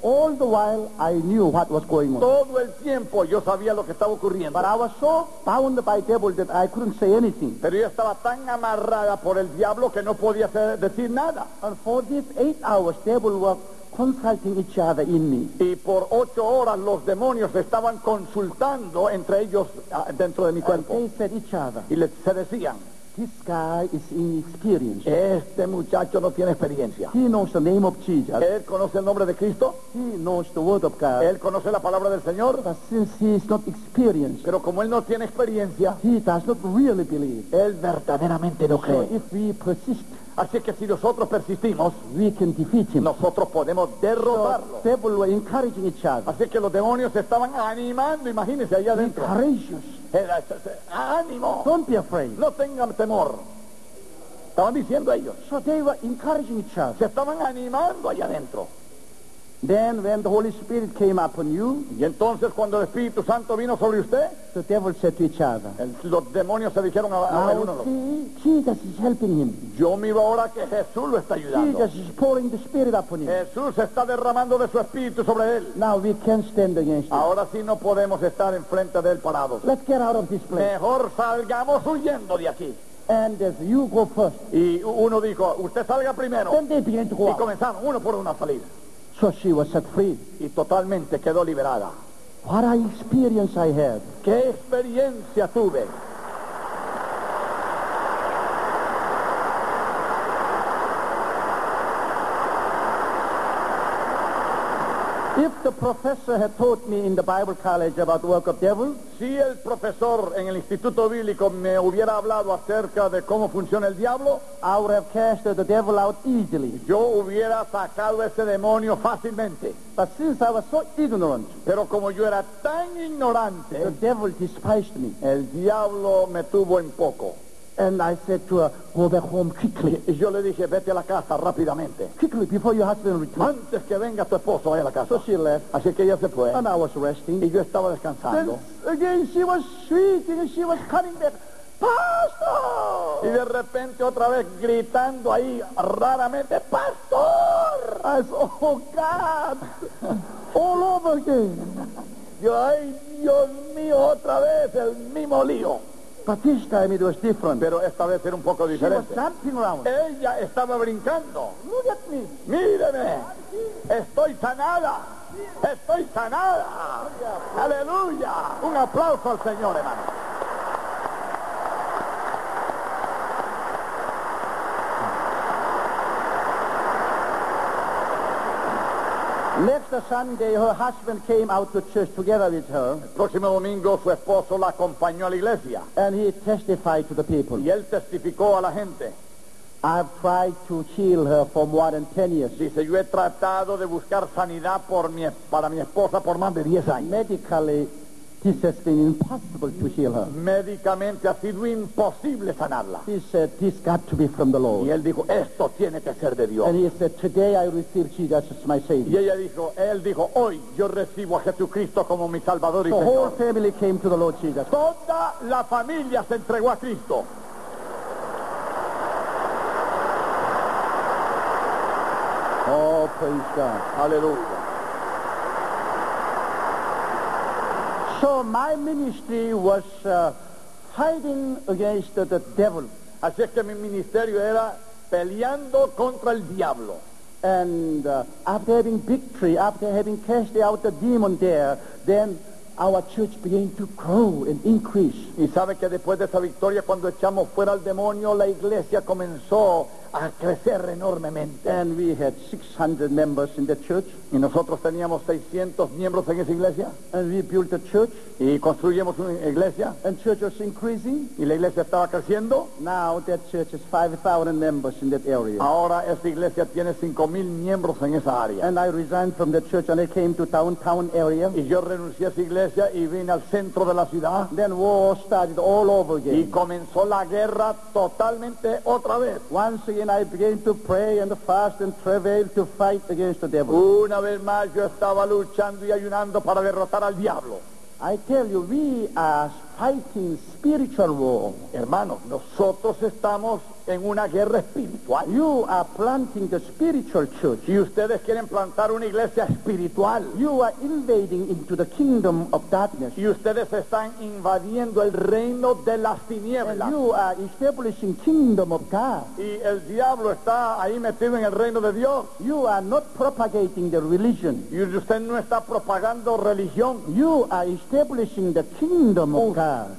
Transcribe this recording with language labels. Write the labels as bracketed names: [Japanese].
[English] All the while I knew what was going on. [Spanish] Todo el tiempo yo sabía lo que estaba ocurriendo. [English] But I was so bound by devil that I couldn't say anything. [Spanish] Pero yo estaba tan amarrada por el diablo que no podía decir nada. [English] And for these 8 hours, devil was consulting each other in me. [Spanish] Y por 8 horas los demonios estaban consultando entre ellos dentro de mi cuerpo. [English] And they said each other, [Spanish] y les se decían, [English] this guy is inexperienced. [Spanish] Este muchacho no tiene experiencia. [English] He knows the name of Jesus. [Spanish] Él conoce el nombre de Cristo. [English] He knows the word of God. [Spanish] Él conoce la palabra del Señor. [English] But since he is not experienced, [Spanish] pero como él no tiene experiencia, [English] he does not really believe. [Spanish] Él verdaderamente no cree. [English] So if we persist, [Spanish] así que si nosotros persistimos, [English] we can defeat him. [Spanish] Nosotros podemos derrotarlo. [English] So people were encouraging each other. [Spanish] Así que los demonios estaban animando, imagínense allá adentro. [English] Courageous. [Spanish] Ánimo. [English] Don't be afraid. [Spanish] No tengan temor. Estaban diciendo ellos. [English] So they were encouraging each other. [Spanish] Se estaban animando allá adentro. [English] Then when the Holy Spirit came upon you, [Spanish] y entonces cuando el Espíritu Santo vino sobre usted, [English] the devil said to each other, [Spanish] los demonios se dijeron a uno otro, [English] Jesus is helping him. [Spanish] Yo miro ahora que Jesús lo está ayudando. [English] Jesus is pouring the Spirit upon him. [Spanish] Jesús está derramando de su Espíritu sobre él. [English] Now we can't stand against him. [Spanish] Ahora sí no podemos estar enfrente de él parados. [English] Let's get out of this place. [Spanish] Mejor salgamos huyendo de aquí. [English] And as you go first, [Spanish] y uno dijo, usted salga primero. [English] Then they began to go [Spanish] y comenzaron uno por uno a salir. [English] So she was set free. [Spanish] Y totalmente quedó liberada. [English] What an experience I had. [Spanish] ¿Qué experiencia tuve? [English] If the professor had taught me in the Bible college about the work of devil, [Spanish] si el profesor en el instituto bíblico me hubiera hablado acerca de cómo funciona el diablo, [English] I would have cast the devil out easily. [Spanish] Yo hubiera sacado ese demonio fácilmente. [English] But since I was so ignorant, [Spanish] pero como yo era tan ignorante, [English] the devil despised me. [Spanish] El diablo me tuvo en poco. [English] And I said to her, go back home quickly. [Spanish] Y yo le dije, vete a la casa rápidamente. [English] Quickly, before your husband returns. [Spanish] Antes que venga tu esposo, vaya a la casa. [English] So she left. [Spanish] Así que ella se fue. [English] And I was resting. [Spanish] Y yo estaba descansando. [English] And again, she was shrieking and she was coming back. Pastor! [Spanish] Y de repente otra vez gritando ahí raramente, ¡Pastor! [English] I said, oh, God! All over again. [Spanish] Yo, ay, Dios mío, otra vez el mismo lío. [English] But this time it was different. [Spanish] Pero esta vez era un poco diferente. [English] She was jumping around. [Spanish] Ella estaba brincando. [English] Look at me. [Spanish] Míreme. Estoy sanada. Estoy sanada. Aleluya. Aleluya. Un aplauso al Señor, hermano. [English] Next Sunday, her husband came out to church together with her. [Spanish] El próximo domingo, su esposo la acompañó a la iglesia. [English] And he testified to the people. [Spanish] Y él testificó a la gente. [English] I've tried to heal her for more than 10 years. [Spanish] Dice, yo he tratado de buscar sanidad para mi esposa por más de 10 años. [English] Medically, this has been impossible to heal her. [Spanish] Médicamente ha sido imposible sanarla. [English] He said, this got to be from the Lord. [Spanish] Y él dijo, esto tiene que ser de Dios. [English] And he said, today I receive Jesus as my Savior. [Spanish] Y ella dijo, él dijo, hoy yo recibo a Jesucristo como mi Salvador y [English] the [Spanish] Señor. [English] The whole family came to the Lord Jesus. [Spanish] Toda la familia se entregó a Cristo. [English] Oh, praise God. [Spanish] Aleluya. [English] So my ministry was fighting against the devil. [Spanish] Así es que mi ministerio era peleando contra el diablo. [English] And after having victory, after having cast out the demon there, then our church began to grow and increase. [Spanish] Y sabe que después de esa victoria, cuando echamos fuera al demonio, la iglesia comenzó a crecer enormemente. [English] And we had 600 members in the church. [Spanish] Y nosotros teníamos 600 miembros en esa iglesia. [English] And we built a church. [Spanish] Y construimos una iglesia. [English] And church was increasing. [Spanish] Y la iglesia estaba creciendo. [English] Now that church is 5,000 members in that area. [Spanish] Ahora esa iglesia tiene 5,000 miembros en esa área. [English] And I resigned from the church and I came to downtown area. [Spanish] Y yo renuncié a esa iglesia y vine al centro de la ciudad. [English] Then war started all over again. [Spanish] Y comenzó la guerra totalmente otra vez. [English] Once and I began to pray and fast and travail to fight against the devil. [Spanish] Una vez más yo estaba luchando y ayunando para derrotar al diablo. [English] I tell you, we are fighting spiritual war. [Spanish] Hermanos, nosotros estamos en una guerra espiritual. [English] You are planting the spiritual church. [Spanish] Y ustedes quieren plantar una iglesia espiritual. [English] You are invading into the kingdom of darkness. [Spanish] Y ustedes están invadiendo el reino de las tinieblas. [English] And you are establishing kingdom of God. [Spanish] Y el diablo está ahí metido en el reino de Dios. [English] You are not propagating the religion. [Spanish] Y usted no está propagando religión. [English] You are establishing the kingdom of God.